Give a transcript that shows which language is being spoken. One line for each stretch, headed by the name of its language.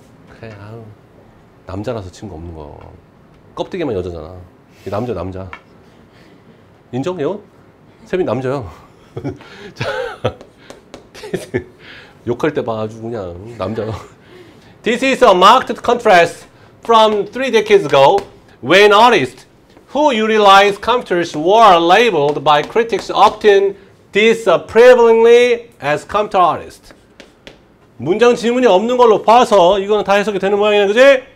Korean: 그래 아우. 남자라서 친구 없는 거. 껍데기만 여자잖아. 남자 남자. 인정? 예원? 세빈 남자요. 자, 욕할 때 봐가지고 그냥 남자.
English: This is a marked contrast from three decades ago when artists who utilized computers were labeled by critics often disapprovingly as computer artists.
Korean: 문장 질문이 없는 걸로 봐서 이건 다 해석이 되는 모양이네, 그지?